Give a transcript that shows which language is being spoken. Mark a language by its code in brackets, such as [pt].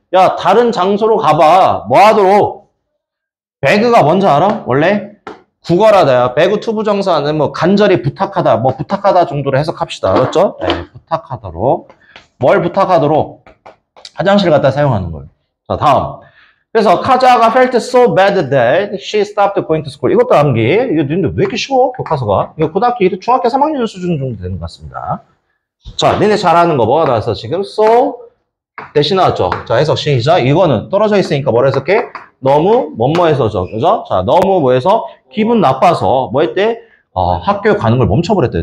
[ko] 야, 다른 장소로 가봐. 뭐 하도록? 배그가 뭔지 알아? 원래? 구걸하다야. 배그 투부 정사는 뭐 간절히 부탁하다, 뭐 부탁하다 정도로 해석합시다. 알았죠? 네, 부탁하도록. 뭘 부탁하도록? 화장실 갖다 사용하는 걸. 자, 다음. 그래서 카자가 [en] felt so bad that she stopped going to school. [ko] 이것도 암기. 이거 니네 왜 이렇게 쉬워? 교과서가. 이거 고등학교 중학교 3학년 수준 정도 되는 것 같습니다. 자, 니네 잘하는 거 뭐가 나왔어? 지금 so 대신 나왔죠. 자, 해석 시작. 이거는 떨어져 있으니까 뭐라 해석해? 너무 뭐뭐해서죠. 그죠? 자, 너무 뭐해서 기분 나빠서 뭐 했대? 학교 가는 걸 멈춰버렸대.